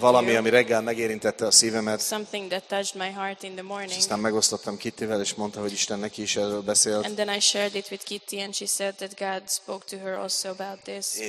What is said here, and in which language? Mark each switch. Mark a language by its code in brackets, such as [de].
[hu] Valami, ami reggel megérintette a szívemet. [en] Something that touched my heart in the morning. [hu] Megosztottam Kittyvel, és mondta, hogy Isten neki is erről beszélt. [en] And then I shared it with Kitty and she said that God spoke to her also about this.